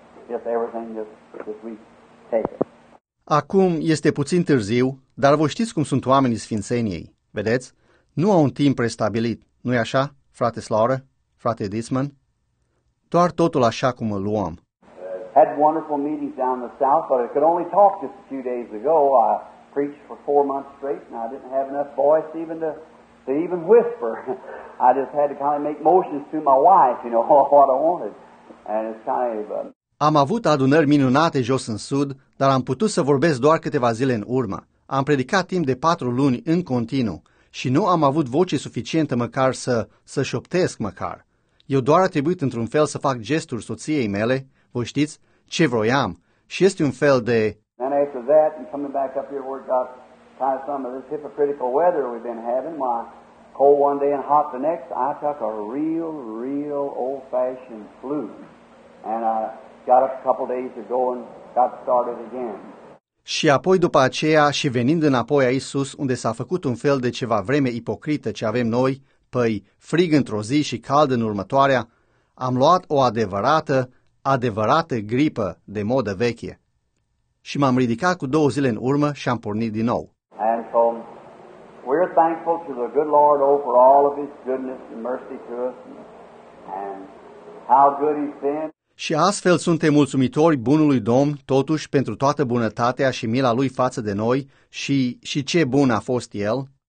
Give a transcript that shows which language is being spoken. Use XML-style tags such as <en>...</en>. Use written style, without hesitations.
<en>Just everything just we take it.</en> <ro>Acum este puțin târziu, dar voi știți cum sunt oamenii Sfințeniei, vedeți? Nu au un timp prestabilit, nu-i așa, frate Slaură, frate Dismann? Doar totul așa cum îl luăm.</ro> <en>Had wonderful meetings down the south, but I could only talk just a few days ago. I preached for 4 months straight, and I didn't have enough voice even to whisper. I just had to kind of make motions to my wife, you know, what I wanted. And it's kind of...</en> <ro>Am avut adunări minunate jos în sud, dar am putut să vorbesc doar câteva zile în urmă. Am predicat timp de 4 luni în continuu. Și nu am avut voce suficientă măcar să șoptesc măcar. Eu doar a trebuit într-un fel să fac gesturi soției mele, vă știți, ce vroiam. Și este un fel de...</ro> <en>And after that, and coming back up here, we've got kind of some of this hypocritical weather we've been having. My cold one day and hot the next, I took a real, real old-fashioned flu. And I got up a couple days ago and got started again.</en> <ro>Și apoi după aceea și venind înapoi aici sus, unde s-a făcut un fel de ceva vreme ipocrită ce avem noi, păi frig într-o zi și cald în următoarea, am luat o adevărată gripă de modă veche. Și m-am ridicat cu 2 zile în urmă și am pornit din nou.</ro> <en>And so we're thankful to the good Lord over all of his goodness and mercy to us and how good he's been.</en> <ro>Și astfel suntem mulțumitori bunului Domn, totuși, pentru toată bunătatea și mila Lui față de noi și ce bun a fost El.</ro>